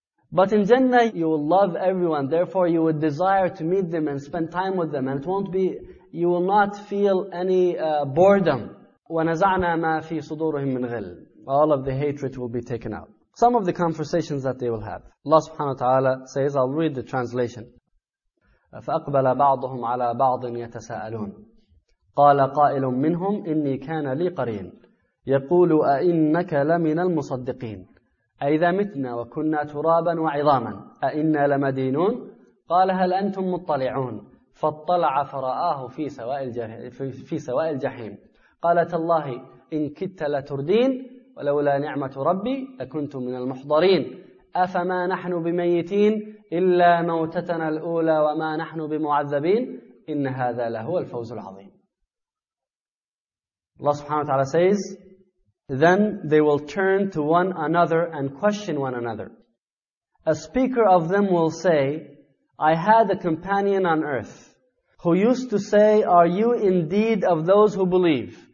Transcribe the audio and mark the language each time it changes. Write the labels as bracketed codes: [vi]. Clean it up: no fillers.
[en] But in Jannah, you will love everyone, therefore you would desire to meet them and spend time with them, and it won't be, you will not feel any boredom. [ar] وَنَزَعْنَا مَا فِي صُدُورِهِمْ مِنْ غِلْ. [en] All of the hatred will be taken out. Some of the conversations that they will have. Allah subhanahu wa ta'ala says, I'll read the translation. [ar] فَأَقْبَلَ بَعْضُهُمْ عَلَىٰ بَعْضٍ يَتَسَاءَلُونَ قَالَ قَائِلٌ مِّنْهُمْ إِنِّي كَانَ لِي قَرِينٌ يَقُولُ أَإِنَّكَ لَمِنَ الْمُصَدِّقِينَ أَإِذَا مِتْنَا وَكُنَّا تُرَابًا وَعِظَامًا أَإِنَّا لَمَدِينُونَ قَالَ هَلْ أَنتُم مُطَّلِعُونَ فَاطَّلَعَ فَرَآهُ فِي سَوَاءِ الْجَحِيمِ قَالَ تَاللَّهِ إِن كِدْتَ لَتُرْدِينِ ولولا نعمة ربي لكنت من المحضرين أفما نحن بميتين إلا موتتنا الأولى وما نحن بمعذبين إن هذا لهو الفوز العظيم. [en] Allah subhanahu wa ta'ala says, then they will turn to one another and question one another. A speaker of them will say, I had a companion on earth who used to say, are you indeed of those who believe?